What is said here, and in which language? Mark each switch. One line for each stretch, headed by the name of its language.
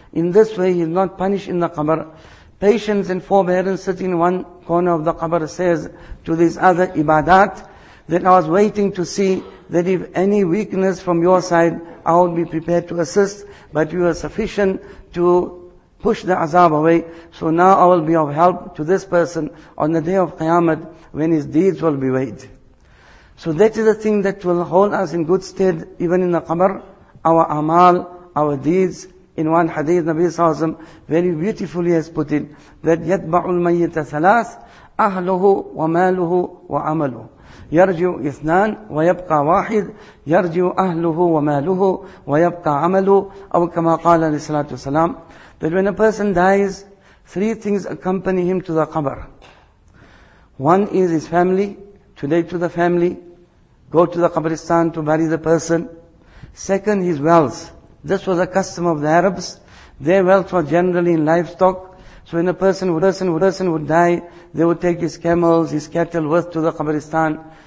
English: In this way, he is not punished in the qabr. Patience and forbearance sitting in one corner of the qabr says to these other ibadat, that I was waiting to see that if any weakness from your side, I would be prepared to assist, but you are sufficient to push the azab away. So now I will be of help to this person on the day of Qiyamah when his deeds will be weighed. So that is the thing that will hold us in good stead even in the qabr, our amal, our deeds. In one hadith, Nabi Sallallahu Alaihi Wasallam very beautifully has put it, that
Arabic: يَتْبَعُ الْمَيِّتَ ثَلَاثْ أَهْلُهُ وَمَالُهُ وَعَمَلُهُ يَرْجِعُ إِثْنَانْ وَيَبْقَى وَاحِدْ يَرْجِعُ أَهْلُهُ وَمَالُهُ وَيَبْقَى عَمَلُهُ أَوْ كَمَا قَالَ عَلَيْهِ الصَّلَاةُ وَالسَّلَامُ.
English: That when a person dies, three things accompany him to the qabr. One is his family. Today to the family, go to the qabristan to bury the person. Second, his wealth. This was a custom of the Arabs. Their wealth was generally in livestock. So when a person would die, they would take his camels, his cattle worth to the qabristan.